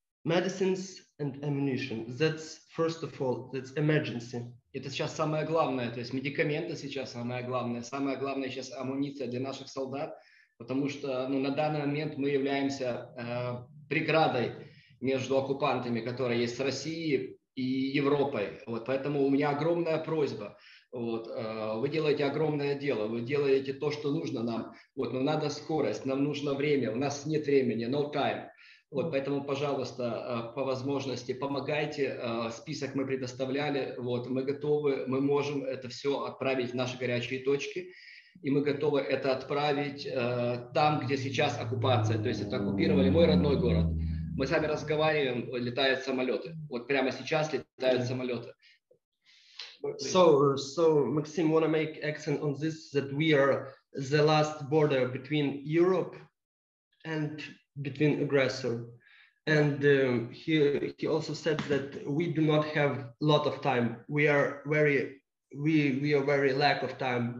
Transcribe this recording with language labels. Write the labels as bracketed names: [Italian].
[English] Medicines and ammunition, that's first of all, that's emergency. [Russian] Это сейчас самое главное, то есть медикаменты сейчас самое главное сейчас амуниция для наших солдат. Потому что на данный момент мы являемся преградой между оккупантами, которые есть с Россией и Европой. Вот, поэтому у меня огромная просьба. Вот, вы делаете огромное дело, вы делаете то, что нужно нам. Вот, но надо скорость, нам нужно время, у нас нет времени, [English] no time. [Russian] Вот, поэтому, пожалуйста, по возможности помогайте. Список мы предоставляли, вот, мы готовы, мы можем это все отправить в наши горячие точки. И мы готовы это отправить там, где сейчас оккупация. То есть это оккупировали мой родной город. Мы сами разговариваем, летают самолеты. Вот прямо сейчас летают самолеты. [English] So Maxim, want to make accent on this, that we are the last border between Europe and between aggressor. And he also said that we do not have a lot of time. We are very lack of time.